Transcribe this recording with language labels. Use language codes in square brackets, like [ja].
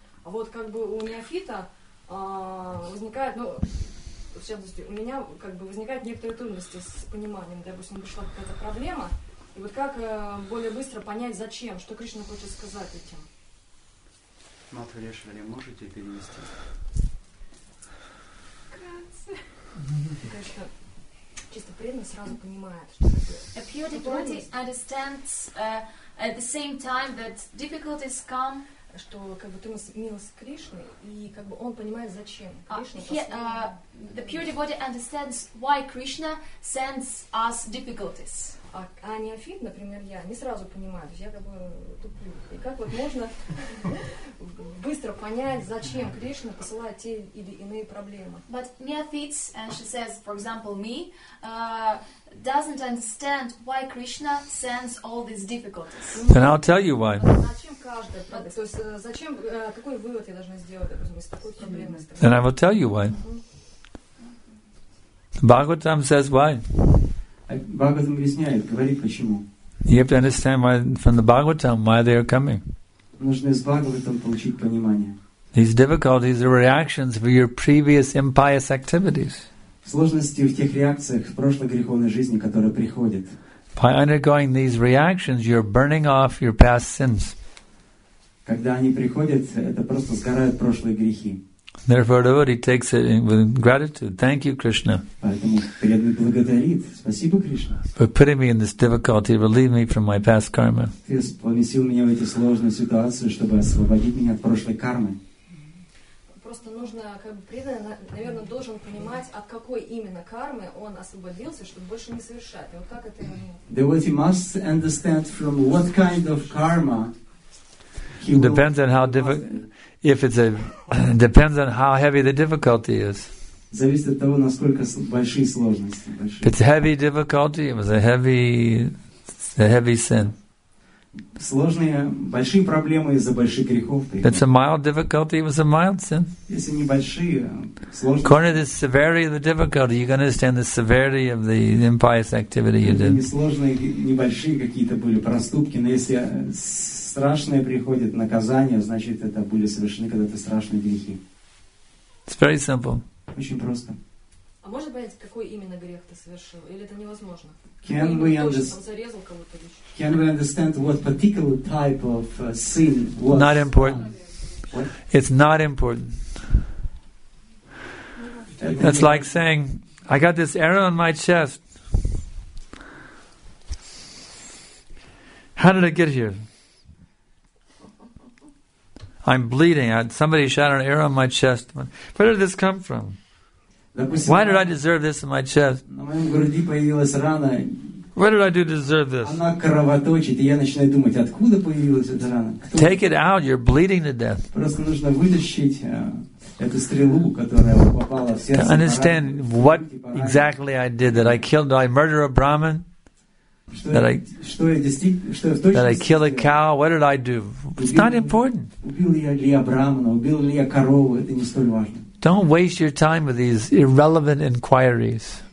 [ru] А вот как бы у неофита возникает, ну, сейчас у меня как бы возникают некоторые трудности с пониманием, допустим, пришла какая-то проблема, и вот как более быстро понять, зачем, что Кришна хочет сказать этим. Матхарешвари, можете перевести? Чисто преданный сразу понимает, что [en] a pure devotee understands at the same time that difficulties come, [ru] что как бы трудность милость Кришны, и как бы он понимает, зачем Кришна. [en] The pure devotee understands why Krishna sends us difficulties. [ru] А неофит, например, я не сразу понимаю, то есть я как бы туплю. И как вот можно быстро понять, зачем Кришна посылает те или иные проблемы? [en] But neophytes, and she says, for example, me, doesn't understand why Krishna sends all these difficulties. And I'll tell you why. [ru] Зачем каждая проблема? То есть зачем, какой вывод я должна сделать, допустим, из такой проблемы? [en] And I will tell you why. Bhagavatam says why. [ru] Bhagavatam объясняет, говорит, почему. [en] You have to understand why, from the Bhagavatam, why they are coming. [ru] Нужно из Бхагаватам получить понимание. [en] These difficulties are reactions for your previous impious activities. [ru] Сложности в тех реакциях в прошлой греховной жизни, которая приходит. [en] By undergoing these reactions, you're burning off your past sins. [ru] Когда они приходят, это просто сгорают прошлые грехи. [en] Therefore, devotee takes it with gratitude. Thank you, Krishna. For putting me in this difficulty, relieve me from my past karma. Mm-hmm. [ru] просто нужно, как бы, преданный, наверное, должен понимать, от какой именно кармы он освободился, чтобы больше не совершать. И вот как это... [en] Devotee must understand from what kind of karma he will... Depends on how if it's a... depends on how heavy the difficulty is. [ru] Зависит от того, насколько большие сложности. [en] If it's heavy difficulty, it was a heavy sin. [ru] Сложные, большие проблемы из-за больших грехов. [en] It's a mild difficulty, it was a mild sin. [ru] Если небольшие сложности. [en] According to the severity of the difficulty, you can understand the severity of the impious activity you did. [ru] Не сложные, небольшие какие-то были проступки, но если страшное приходит наказание, значит, это были совершены когда-то страшные грехи. [en] It's very simple. [ru] Очень просто. А можно понять, какой именно грех ты совершил? Или это невозможно? [en] Can we understand? Can we understand what particular type of sin was? Not important. What? It's not important. That's like saying, "I got this arrow on my chest. How did it get here? I'm bleeding. Somebody shot an arrow on my chest. Where did this come from?" Why did I deserve this in my chest? [ru] На моем груди появилась рана. [en] What did I do to deserve this? [ru] Она кровоточит, и я начинаю думать, откуда появилась эта рана? [en] Take it out, you're bleeding to death. [ru] Просто нужно вытащить эту стрелу, которая попала в сердце. [en] Understand what exactly I did, that I killed, I murdered a Brahmin? That I kill a cow? What did I do? It's not important. [ru] Убил ли я Брахмана? Убил ли я корову? Это не столь важно. [en] Don't waste your time with these irrelevant inquiries.